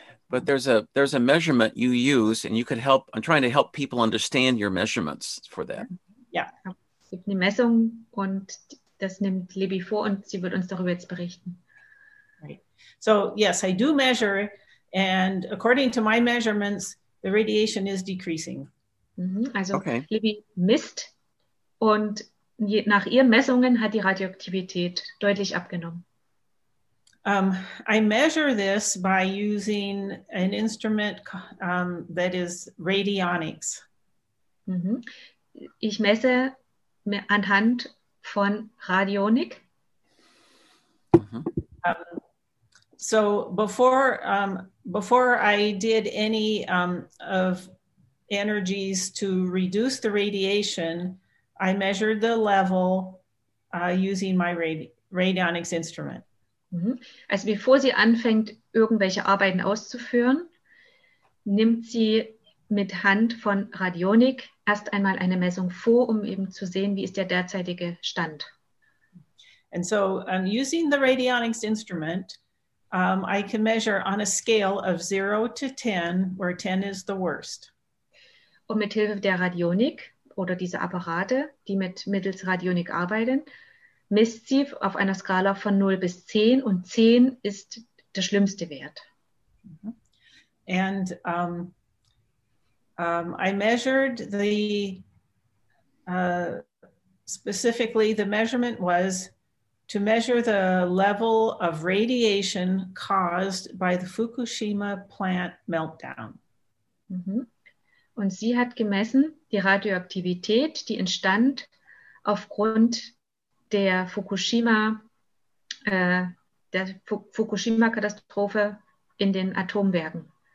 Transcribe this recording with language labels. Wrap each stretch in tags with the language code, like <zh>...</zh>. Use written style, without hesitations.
<en>But there's a measurement you use, and you could help, I'm trying to help people understand your measurements for that.</en> <de>Ja, es gibt eine Messung und das nimmt Libby vor und sie wird uns darüber jetzt berichten.</de> <en>Right. So, yes, I do measure, and according to my measurements, the radiation is decreasing.</en> <de>Also okay. Libby misst und nach ihren Messungen hat die Radioaktivität deutlich abgenommen.</de> <en>I measure this by using an instrument that is radionics. Mm-hmm.</en> <de>Ich messe anhand von Radionik. Mm-hmm.</de> <en>So before I did any of energies to reduce the radiation, I measured the level using my radionics instrument.</en> <de>Also bevor sie anfängt, irgendwelche Arbeiten auszuführen, nimmt sie mit Hand von Radionik erst einmal eine Messung vor, um eben zu sehen, wie ist der derzeitige Stand.</de> <en>And so using the radionics instrument, I can measure on a scale of 0 to 10, where 10 is the worst.</en> <de>Und mit Hilfe der Radionik oder dieser Apparate, die mittels Radionik arbeiten, misst sie auf einer Skala von 0 bis 10 und 10 ist der schlimmste Wert.</de> <en>And I measured the specifically the measurement was to measure the level of radiation caused by the Fukushima plant meltdown.</en> <de>Und sie hat gemessen die Radioaktivität, die entstand aufgrund der Fukushima-Katastrophe in den Atomwerken.</de>